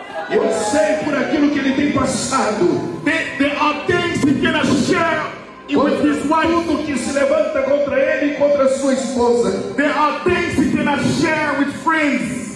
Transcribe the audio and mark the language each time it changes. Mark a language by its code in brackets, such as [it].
[pt] Eu sei por aquilo que ele tem passado. [en] There are things he cannot share with his wife. [pt] Tudo que se levanta contra ele e contra sua esposa. [en] There are things he cannot share with friends.